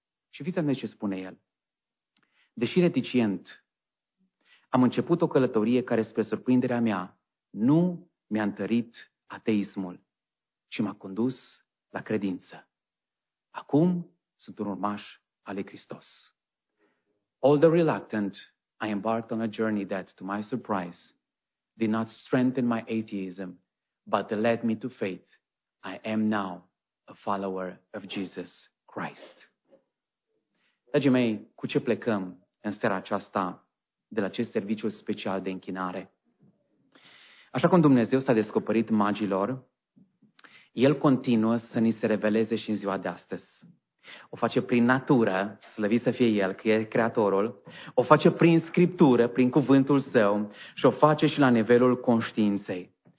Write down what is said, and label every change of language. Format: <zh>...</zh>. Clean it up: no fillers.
<ro>Și fiți atenți ce spune el. Deși reticent, am început o călătorie care, spre surprinderea mea, nu mi-a întărit ateismul, ci m-a condus la credință. Acum sunt un urmaș al lui Hristos.</ro> <en>Although reluctant, I embarked on a journey that, to my surprise, did not strengthen my atheism, but led me to faith. I am now a follower of Jesus Christ.</en> <ro>Dragii mei, cu ce plecăm în seara aceasta de la acest serviciu special de închinare? Așa cum Dumnezeu s-a descoperit magilor, El continuă să ni se reveleze și în ziua de astăzi. O face prin natură, slăvit să fie El, că e Creatorul, o face prin Scriptură, prin cuvântul Său și o face și la nivelul conștiinței.</ro>